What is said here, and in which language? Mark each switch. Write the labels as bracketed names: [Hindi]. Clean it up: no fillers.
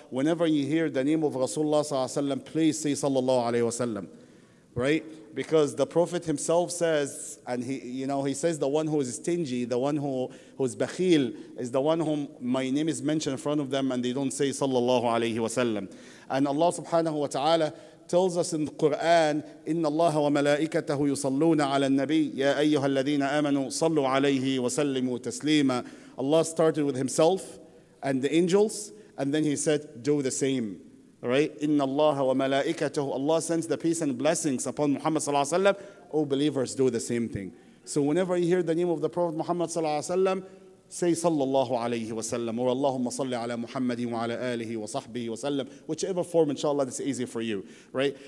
[English] Whenever you hear the name of Rasulullah sallallahu alayhi wa sallam, please say sallallahu alayhi wa sallam. Right? Because the Prophet himself says, and he says, the one who is stingy, the one who is bakhil, is the one whom my name is mentioned in front of them, and they don't say sallallahu alayhi wa sallam. And Allah subhanahu wa ta'ala tells us in the Quran, [Arabic] إن الله وملائكته يصلون على النبي يا أيها الذين آمنوا صلوا عليه وسلموا تسليما. [English] Allah started with himself and the angels, and then he said, do the same. Right? [Arabic] إن الله وملائكته. [English] Allah sends the peace and blessings upon Muhammad [Arabic] صلى الله عليه وسلم. [English] O believers, do the same thing. So whenever you hear the name of the Prophet Muhammad [Arabic] صلى الله عليه وسلم, [English] say صلى الله عليه وسلم or [Arabic] اللهم صل على محمد وعلى آله وصحبه وسلم, [English] whichever form, inshallah, that's easy for you, right?